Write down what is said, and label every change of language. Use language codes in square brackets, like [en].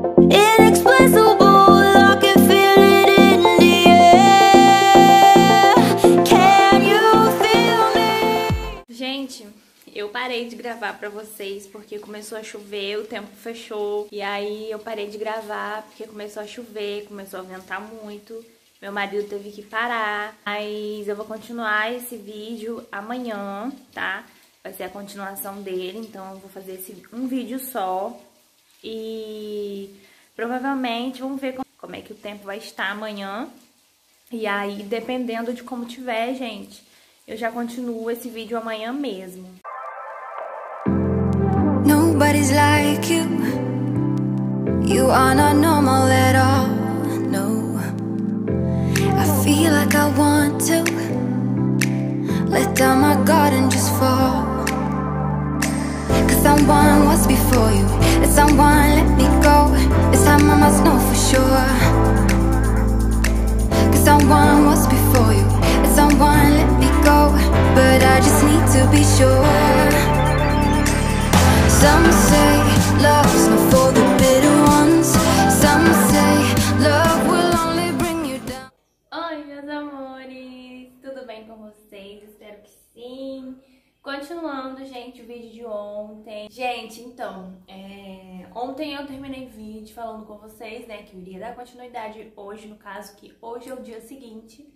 [en] Inexplicable, I can feel it in the air. Can you feel me? [pt] Gente, eu parei de gravar pra vocês porque começou a chover, o tempo fechou. E aí eu parei de gravar porque começou a chover, começou a ventar muito. Meu marido teve que parar. Mas eu vou continuar esse vídeo amanhã, tá? Vai ser a continuação dele. Então eu vou fazer um vídeo só. E provavelmente vamos ver como é que o tempo vai estar amanhã. E aí, dependendo de como tiver, gente, eu já continuo esse vídeo amanhã mesmo. [en] nobody's like you. You are not normal at all, no. I feel like I want to let down my guard and just fall. Cause someone was before you, and someone let me go. This time I must know for sure. Cause someone was before you, and someone let me go. But I just need to be sure. Some say love's not for the bitter ones. Some say love will only bring you down. [pt] Oi, meus amores, tudo bem com vocês? Espero que sim. Continuando, gente, o vídeo de ontem. Gente, então, ontem eu terminei o vídeo falando com vocês, né, que eu iria dar continuidade hoje, no caso, que hoje é o dia seguinte.